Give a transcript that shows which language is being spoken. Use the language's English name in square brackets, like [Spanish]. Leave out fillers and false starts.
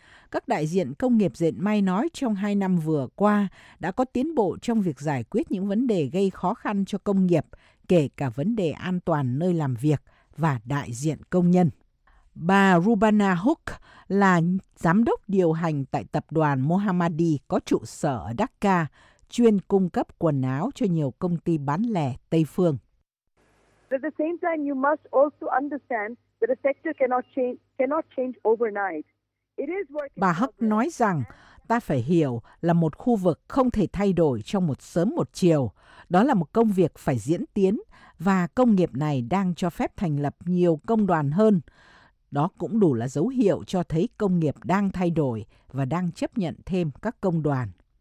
[Vietnamese] Các đại diện công nghiệp dệt may nói trong 2 năm vừa qua đã có tiến bộ trong việc giải quyết những vấn đề gây khó khăn cho công nghiệp, kể cả vấn đề an toàn nơi làm việc và đại diện công nhân. Bà Rubana Hook là giám đốc điều hành tại tập đoàn Mohammadi có trụ sở ở Dhaka, chuyên cung cấp quần áo cho nhiều công ty bán lẻ Tây phương. [English] But at the same time, you must also understand that the sector cannot change overnight. [Vietnamese] Bà Hook nói rằng ta phải hiểu là một khu vực không thể thay đổi trong một sớm một chiều. Đó là một công việc phải diễn tiến và công nghiệp này đang cho phép thành lập nhiều công đoàn hơn. Đó cũng đủ là dấu hiệu cho thấy công nghiệp đang thay đổi và đang chấp nhận thêm các công đoàn.